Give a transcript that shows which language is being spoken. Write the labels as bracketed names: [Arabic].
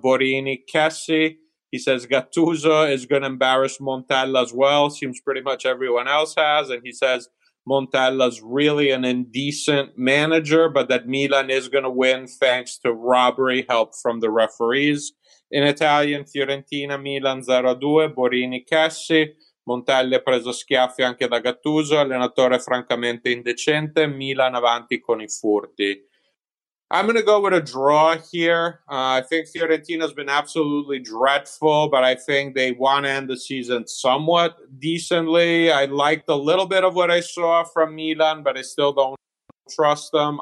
[English] Borini, Kessi. He says Gattuso is going to embarrass Montella as well. Seems pretty much everyone else has. And he says Montella's really an indecent manager, but that Milan is going to win thanks to robbery help from the referees. In Italian, Fiorentina, Milan 0-2, Borini, Kessi. [Italian] Montella preso schiaffi anche da Gattuso, allenatore francamente indecente. Milan avanti con i furti. [English] I'm going to go with a draw here. I think Fiorentina's been absolutely dreadful, but I think they want to end the season somewhat decently. I liked a little bit of what I saw from Milan, but I still don't trust them.